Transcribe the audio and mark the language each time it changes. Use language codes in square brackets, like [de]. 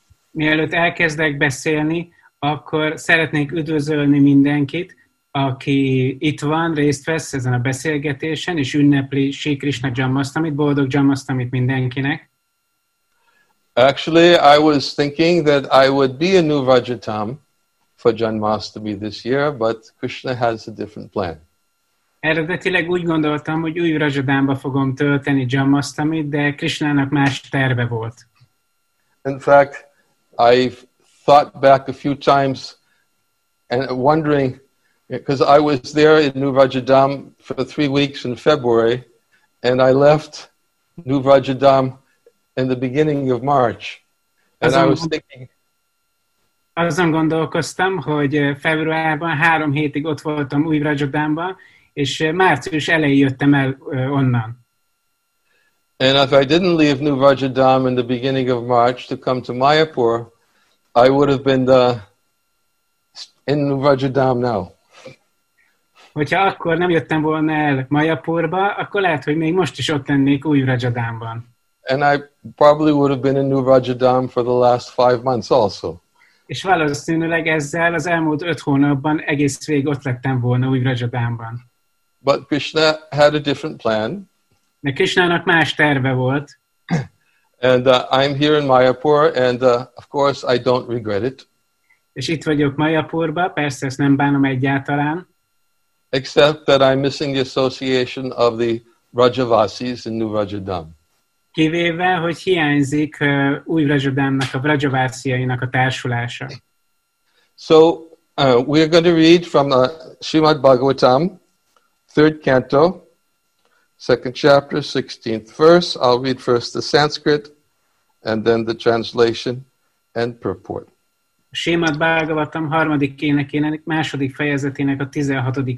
[hu] Mielőtt elkezdek beszélni, akkor szeretnék üdvözölni mindenkit, aki itt van, részt vesz ezen a beszélgetésen, és ünnepli Sri Krishna Janmashtamit, boldog Janmashtamit mindenkinek. [en] Actually, I was thinking that I would be a new Vajratam for Janmashtami this year, but Krishna has a different plan. [hu] Eredetileg úgy gondoltam, hogy új Rajadámba fogom tölteni Janmashtamit, de Krishnának más terve volt. [en] In fact, I've thought back a few times and wondering, because I was there in New Rajadam for 3 weeks in February, and I left New Rajadam in the beginning of March. And I was thinking, [hu] azon gondolkoztam, hogy februárban 3 hétig ott voltam új Rajadamban, és március elején jöttem el onnan. [en] And if I didn't leave New Rajadam in the beginning of March to come to Mayapur, I would have been in New Rajadam now. [hu] Hogyha akkor nem jöttem volna el Mayapurba, akkor lehet, hogy még most is ott lennék új Rajadamban. [en] And I probably would have been in New Rajadam for the last 5 months also. [hu] És valószínűleg ezzel az elmúlt 5 hónapban egész végig ott lettem volna új Rajadamban. [en] But Krishna had a different plan. [hu] De Krishnának más terve volt. [en] And I'm here in Mayapur, and of course I don't regret it. [hu] És itt vagyok Mayapurba, persze ezt nem bánom egyáltalán. [en] Except that I'm missing the association of the Rajavasis in New Rajadam. [hu] Kivéve, hogy hiányzik új Rajadamnak, a Rajavasiainak a társulása. [en] So, we are going to read from the Srimad Bhagavatam, third canto, second chapter, 16th verse. I'll read first the Sanskrit, and then the translation and purport. [hu] Srimad Bhagavatam harmadik énekének második fejezetének a 16.